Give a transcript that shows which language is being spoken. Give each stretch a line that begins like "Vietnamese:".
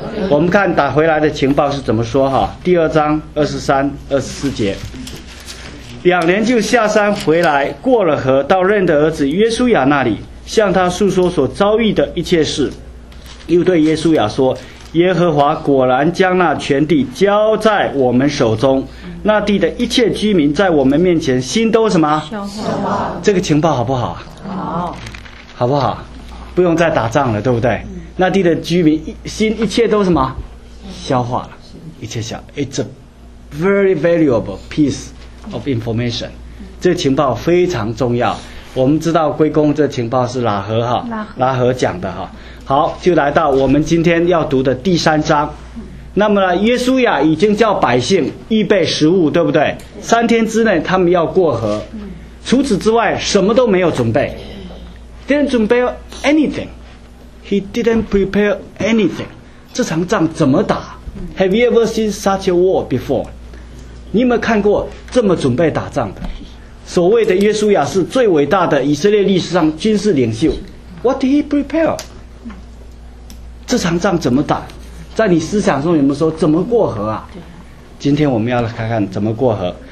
Chinese: 我们看打回来的情报是怎么说哈。第二章二十三、二十四节，两人就下山回来，过了河，到认的儿子耶稣亚那里，向他诉说所遭遇的一切事，又对耶稣亚说：“耶和华果然将那全地交在我们手中，那地的一切居民在我们面前心都什么？消化。这个情报好不好？好，好不好？不用再打仗了，对不对？那地的居民心一切都什么？消化了，一切消。
English: It's a very valuable piece of information。
Chinese: 这情报非常重要。我们知道归功这情报是喇合哈，喇合讲的哈。好，就来到我们今天要读的第三章。那么呢，约书亚已经叫百姓预备食物，对不对？三天之内他们要过河，除此之外什么都没有准备。
English: Didn't prepare anything. He didn't prepare anything.
Chinese: 这场仗怎么打？
English: Have you ever seen such a war before?
Chinese: 你有没有看过这么准备打仗的？所谓的约书亚是最伟大的以色列历史上军事领袖。
English: What did he prepare?
Chinese: 这场仗怎么打？在你思想中有没有说怎么过河啊？今天我们要来看看怎么过河。